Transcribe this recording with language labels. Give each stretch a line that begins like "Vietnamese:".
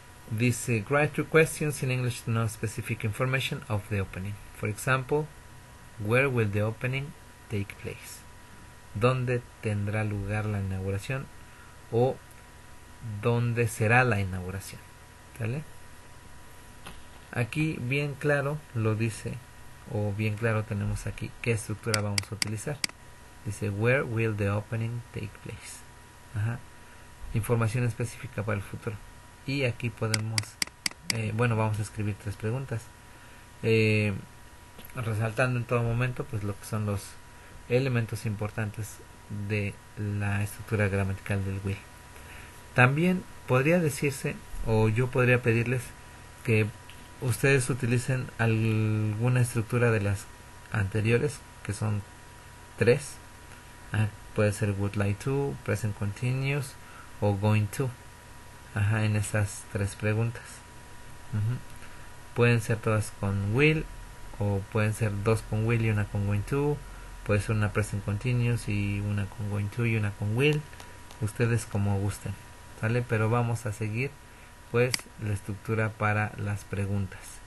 Spanish: Dice:
English: write two questions in English to know specific information of the opening. For example, where will the opening take place?
Spanish: ¿Dónde tendrá lugar la inauguración? ¿O dónde será la inauguración? ¿Sale? Aquí bien claro lo dice, o bien claro tenemos aquí qué estructura vamos a utilizar. Dice:
English: where will the opening take place?
Spanish: Ajá. Información específica para el futuro. Y aquí podemos, bueno, vamos a escribir tres preguntas, resaltando en todo momento pues lo que son los elementos importantes de la estructura gramatical del will. También podría decirse, o yo podría pedirles que ustedes utilicen alguna estructura de las anteriores, que son tres. Ajá, puede ser would like to, present continuous o going to. Ajá, en esas tres preguntas. Pueden ser todas con will, o pueden ser dos con will y una con going to. Puede ser una present continuous y una con going to y una con will. Ustedes como gusten. ¿Sale? Pero vamos a seguir pues la estructura para las preguntas.